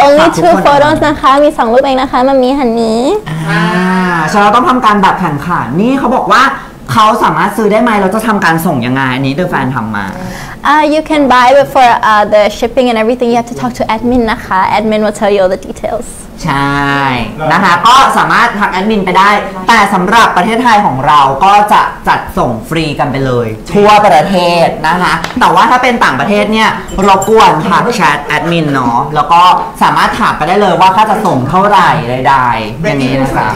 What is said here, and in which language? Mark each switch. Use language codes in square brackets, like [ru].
[th] ใช่ [en] only two photos [th] นะคะมี2รูปเองนะคะมันมีหันนี้ฉันเราต้องทำการแบบแข่งขันนี่เขาบอกว่าเขาสามารถซื้อได้ไหมเราจะทำการส่งยังไงอันนี้เดอะแฟนทำมา [en] You can buy but for the shipping and everything you have to talk to admin นะคะ admin will tell you all the details [th] ใช่นะคะก็สามารถทักแอดมินไปได้แต่สำหรับประเทศไทยของเราก็จะจัดส่งฟรีกันไปเลยทั่วประเทศนะคะแต่ว่าถ้าเป็นต่างประเทศเนี่ยรบกวนทักแชทแอดมินเนาะแล้วก็สามารถถามไปได้เลยว่าเขาจะส่งเท่าไหร่ใดๆแบบนี้นะคะ